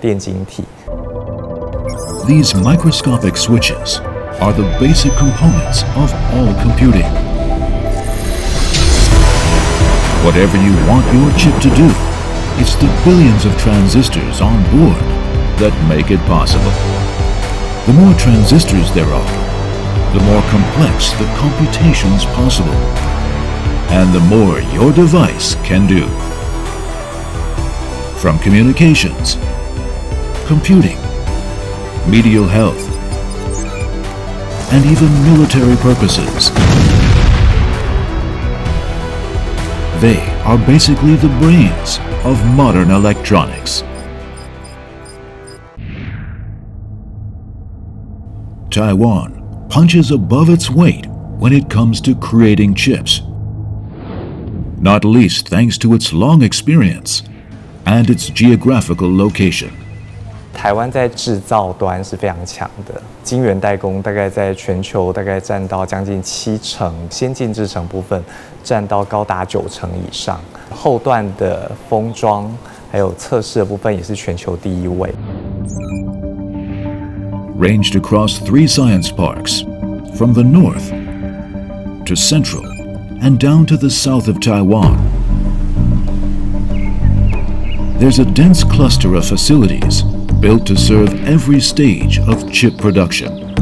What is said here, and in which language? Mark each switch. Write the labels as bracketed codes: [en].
[zh] 比如说这个苹果手机上面所用到的这样的晶片，上面都是有上百亿颗的电晶体。These [en] microscopic switches are the basic components of all computing. Whatever you want your chip to do, it's the billions of transistors on board that make it possible. The more transistors there are, the more complex the computations possible. And the more your device can do. From communications, computing, medical health, and even military purposes. They are basically the brains of modern electronics. Taiwan punches above its weight when it comes to creating chips. Not least thanks to its long experience and its geographical location. [zh] 台湾在制造端是非常强的，晶圆代工大概在全球大概占到将近70%，先进制程部分占到高达90%以上，后段的封装还有测试的部分也是全球第一位。 [en] ranged across three science parks, from the north to central and down to the south of Taiwan. There's a dense cluster of facilities built to serve every stage of chip production.